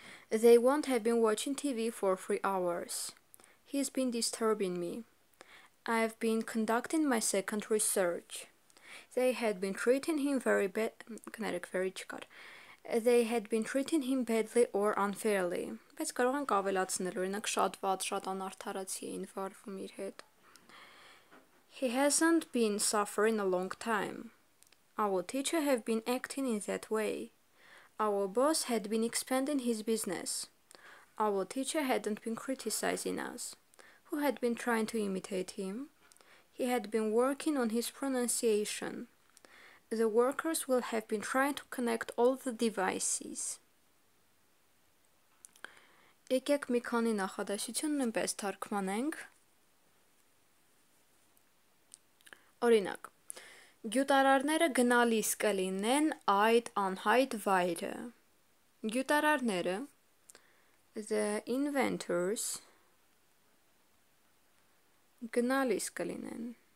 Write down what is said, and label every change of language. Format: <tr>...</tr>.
<en>They won't have been watching TV for 3 hours. He's been disturbing me. I've been conducting my second research. They had been treating him very bad.</en> <hy>Կներեք,</hy> <en>very</en> <hy>չկար.</hy> <en>They had been treating him badly or unfairly.</en> <hy>Բայց կարող ենք ավելացնել, օրինակ շատ վատ, շատ անարդարացի էին վարվում իր հետ.</hy> <en>He hasn't been suffering a long time. Our teacher had been acting in that way. Our boss had been expanding his business. Our teacher hadn't been criticizing us. Who had been trying to imitate him? He had been working on his pronunciation. The workers will have been trying to connect all the devices.</en> <hy>Եկեք մի քանի նախադասություն նույնպես թարգմանենք. Օրինակ. Գյուտարարները գնալիս կլինեն այդ անհայտ վայրը. Գյուտարարները,</hy> <en>the inventors,</en> <hy>գնալիս կլինեն.</hy>